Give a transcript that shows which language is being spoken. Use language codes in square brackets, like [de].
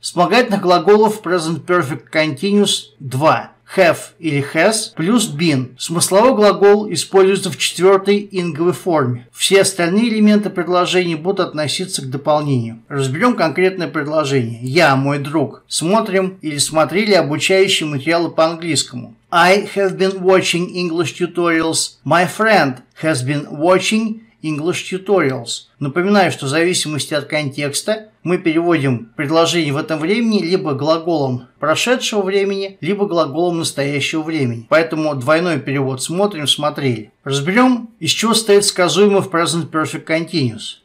[ru] Вспомогательных глаголов в Present Perfect Continuous два – have или has плюс been. Смысловой глагол используется в четвертой инговой форме. Все остальные элементы предложения будут относиться к дополнению. Разберем конкретное предложение. Я, мой друг, смотрим или смотрели обучающие материалы по английскому. [en] I have been watching English tutorials. My friend has been watching English tutorials. [ru] Напоминаю, что в зависимости от контекста мы переводим предложение в этом времени либо глаголом прошедшего времени, либо глаголом настоящего времени. Поэтому двойной перевод «смотрим», «смотрели». Разберем, из чего состоит сказуемое в Present Perfect Continuous.